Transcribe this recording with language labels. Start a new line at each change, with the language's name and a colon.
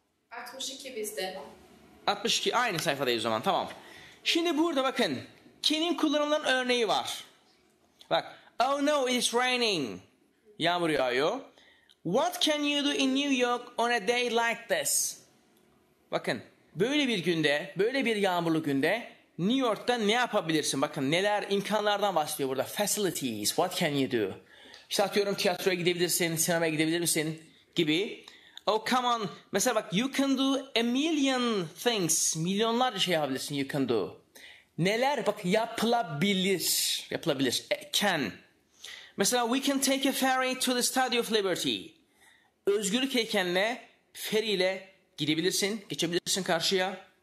Turkish: 62 bizde. 62, aynı sayfadayız o zaman, tamam. Şimdi burada bakın, can'in kullanımlarının örneği var. Bak.
English: Oh no, it's raining.
Turkish: Yağmur yağıyor.
English: What can you do in New York on a day like this?
Turkish: Bakın. böyle bir günde, böyle bir yağmurlu günde New York'ta ne yapabilirsin? Bakın neler, imkanlardan bahsediyor burada.
English: Facilities, what can you do?
Turkish: İşte atıyorum tiyatroya gidebilirsin, sinemaya gidebilir misin gibi.
English: Oh come on.
Turkish: Mesela bak,
English: you can do a million things.
Turkish: Milyonlarca şey yapabilirsin,
English: you can do.
Turkish: Neler? Bak, yapılabilir. Yapılabilir. Can.
English: Mesela we can take a ferry to the Statue of Liberty.
Turkish: Özgürlük heykeline feriyle gidebilirsin, geçebilirsin karşıya.